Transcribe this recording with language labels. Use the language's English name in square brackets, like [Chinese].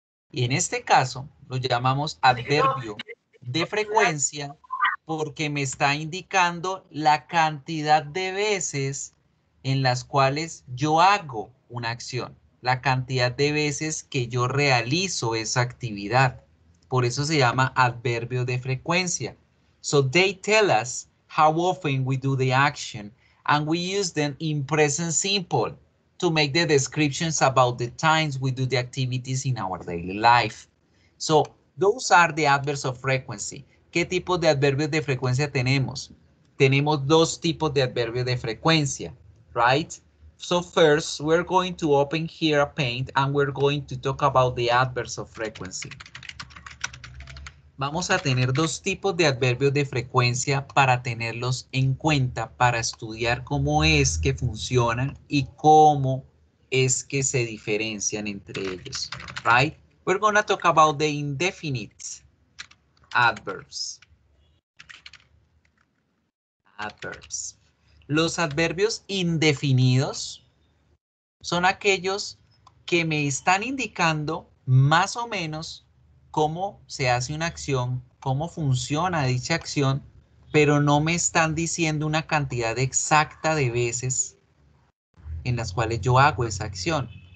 [Spanish] Y en este caso lo llamamos adverbio de frecuencia Porque me está indicando la cantidad de veces en las cuales yo hago una acción, la cantidad de veces que yo realizo esa actividad. Por eso se llama adverbio de frecuencia. [English] So they tell us how often we do the action, and we use them in present simple to make the descriptions about the times we do the activities in our daily life. So those are the adverbs of frequency. [Spanish] ¿Qué tipos de adverbios de frecuencia tenemos? Tenemos dos tipos de adverbios de frecuencia, right? [English] So first, we're going to open here a paint and we're going to talk about the adverbs of frequency. [Spanish] Vamos a tener dos tipos de adverbios de frecuencia para tenerlos en cuenta, para estudiar cómo es que funcionan y cómo es que se diferencian entre ellos, right? [English] We're going to talk about the indefinite adverbs. Adverbs. [Spanish] Los adverbios indefinidos son aquellos que me están indicando más o menos cómo se hace una acción, cómo funciona dicha acción, pero no me están diciendo una cantidad exacta de veces en las cuales yo hago esa acción.